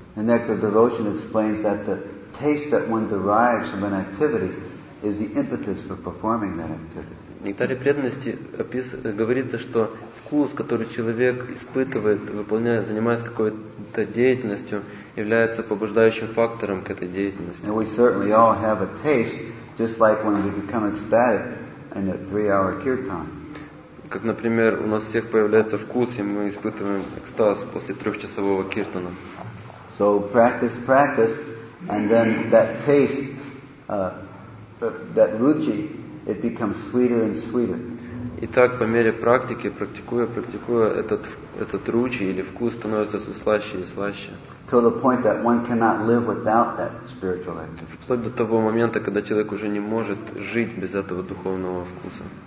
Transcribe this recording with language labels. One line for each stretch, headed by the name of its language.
English: And that the devotion explains that the taste that one derives from an activity is the impetus for performing that activity.
Russian: В Нектаре преданности говорится, что вкус, который человек испытывает, выполняя, занимаясь какой-то деятельностью, является побуждающим фактором к этой деятельности.
English: And we certainly all have a taste, just like when we become ecstatic in a three-hour kirtan.
Russian: Как, например, у нас всех появляется вкус, и мы испытываем экстаз после трехчасового киртана.
English: So practice, practice, and then that taste, that ruchi, it becomes sweeter and sweeter.
Russian: Итак, по мере практики, практикуя, этот ручей или вкус становится все слаще и слаще.
English: To the point that one cannot live without that spiritual activity.
Russian: Вплоть до того момента, когда человек уже не может жить без этого духовного вкуса.